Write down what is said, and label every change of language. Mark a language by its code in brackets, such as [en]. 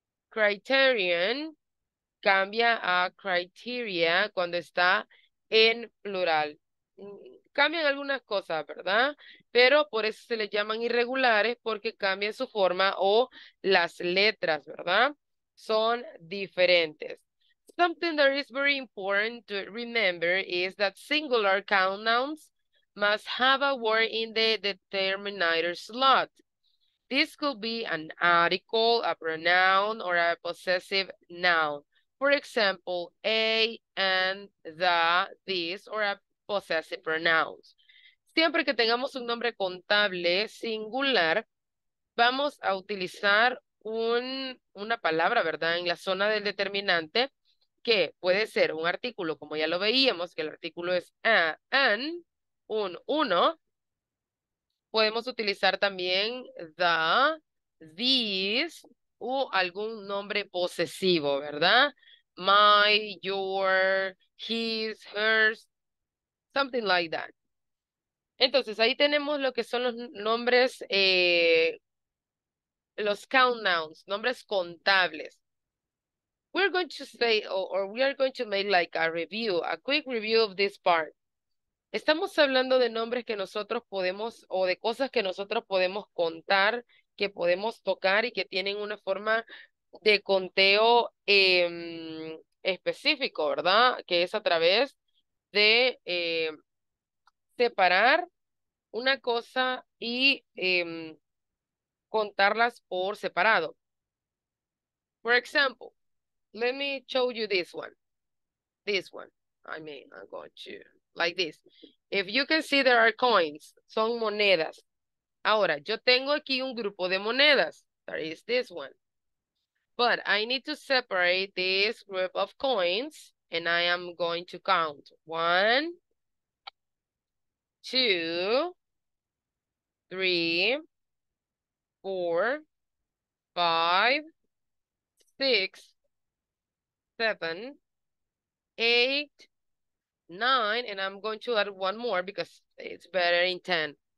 [es] Criterion cambia a criteria cuando está en plural. Cambian algunas cosas, ¿verdad? Pero por eso se les llaman irregulares porque cambian su forma o las letras, ¿verdad? Son diferentes. [en] Something that is very important to remember is that singular count nouns must have a word in the determinator slot. This could be an article, a pronoun, or a possessive noun. For example, a, and, the, this, or a possessive pronoun. [es] Siempre que tengamos un nombre contable singular, vamos a utilizar una palabra, ¿verdad? En la zona del determinante, que puede ser un artículo, como ya lo veíamos, que el artículo es a, an, un, uno. Podemos utilizar también the, this o algún nombre posesivo, ¿verdad? [en] My, your, his, hers, something like that. [es] Entonces, ahí tenemos lo que son los nombres, los count nouns, nombres contables. [en] We're going to say, or we are going to make like a review, a quick review of this part. [es] Estamos hablando de nombres que nosotros podemos o de cosas que nosotros podemos contar, que podemos tocar y que tienen una forma de conteo específico, ¿verdad? Que es a través de separar una cosa y contarlas por separado. [en] For example, let me show you this one. This one. I mean, I'm going to. Like this. If you can see, there are coins. [es] Son monedas. Ahora, yo tengo aquí un grupo de monedas. [en] That is this one. But I need to separate this group of coins and I am going to count. One, two, three, four, five, six, seven, eight, nine, and I'm going to add one more because it's better in 10.